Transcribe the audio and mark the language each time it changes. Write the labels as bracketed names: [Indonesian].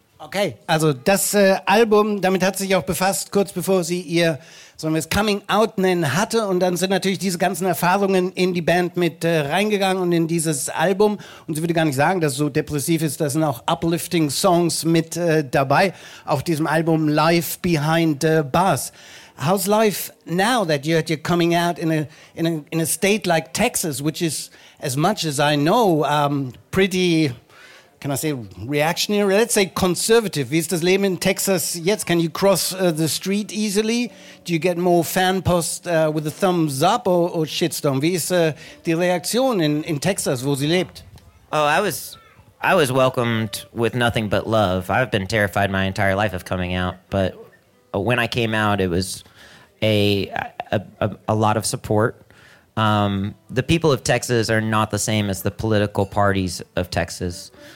[German] Okay, also das Album, damit hat sich auch befasst, kurz bevor sie ihr so ein Coming Out nennen hatte, und dann sind natürlich diese ganzen Erfahrungen in die Band mit reingegangen und in dieses Album, und sie würde gar nicht sagen, dass es so depressiv ist, da sind auch uplifting Songs mit dabei auf diesem Album Life Behind Bars. [English] How's life now that you're coming out in a state like Texas, which is, as much as I know, pretty, can I say reactionary? Let's say conservative. [German] Wie ist das Leben in Texas jetzt? [English] Can you cross the street easily? Do you get more fan post with a thumbs up or shitstorm? [German] Wie ist die Reaktion in Texas, wo sie lebt? [English] Oh, I was welcomed with nothing but love. I've been terrified my entire life of coming out, but when I came out, it was a lot of support. The people of Texas are not the same as the political parties of Texas.